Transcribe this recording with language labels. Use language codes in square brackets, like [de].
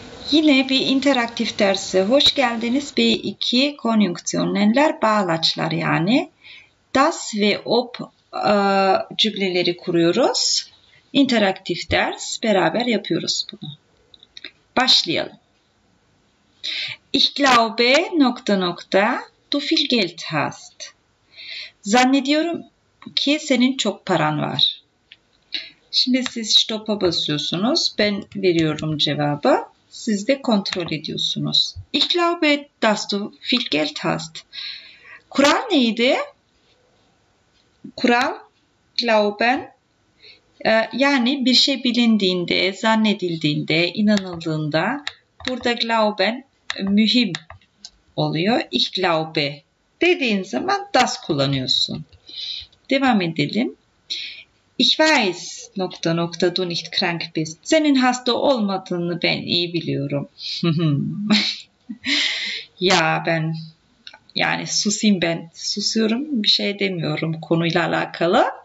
[tr] Yine bir interaktif dersi. Hoş geldiniz. B2 konjüksiyonlar, bağlaçlar yani. Das ve ob cümleleri kuruyoruz. İnteraktif ders. Beraber yapıyoruz bunu. Başlayalım. [de] Ich glaube, [tr] nokta nokta, [de] du viel Geld hast. [tr] Zannediyorum ki senin çok paran var. Şimdi siz stop'a basıyorsunuz. Ben veriyorum cevabı. Siz de kontrol ediyorsunuz. [de] Ich glaube, dass du viel Geld hast. [tr] Kural neydi? Kural, glauben, yani bir şey bilindiğinde, zannedildiğinde, inanıldığında. Burada glauben mühim oluyor. [de] Ich glaube [tr] dediğin zaman das kullanıyorsun. Devam edelim. [de] Ich weiß, [tr] nokta nokta, [de] du nicht krank bist. [tr] Senin hasta olmadığını ben iyi biliyorum. Ya ben, yani susayım ben. Susuyorum, bir şey demiyorum konuyla alakalı.